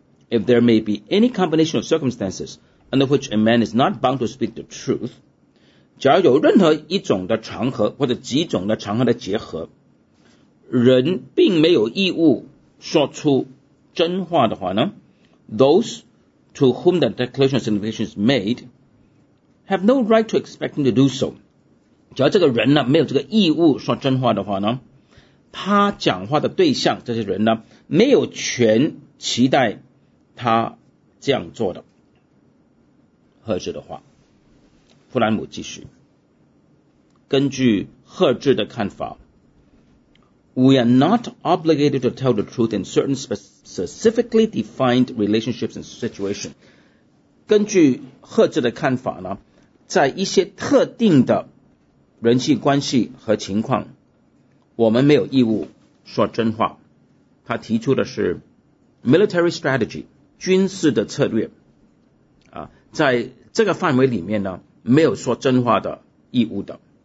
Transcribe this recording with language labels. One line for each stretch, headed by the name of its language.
English: If there may be any combination of circumstances under which a man is not bound to speak the truth，
Chinese: 假如有任何一种的场合或者几种的场合的结合，人并没有义务说出真话的话呢，
English: those to whom the declaration of signification is made have no right to expect him to do so。
Chinese: 只要这个人呢没有这个义务说真话的话呢，他讲话的对象这些人呢没有权期待他这样做的。赫治的话，弗兰姆继续。根据赫治的看法，
English: We are not obligated to tell the truth in certain specifically defined relationships and situations。
Chinese: 根据赫治的看法呢，在一些特定的人际关系和情况，我们没有义务说真话。他提出的是
English: military strategy，
Chinese: 军事的策略啊，在这个范围里面呢，没有说真话的义务的。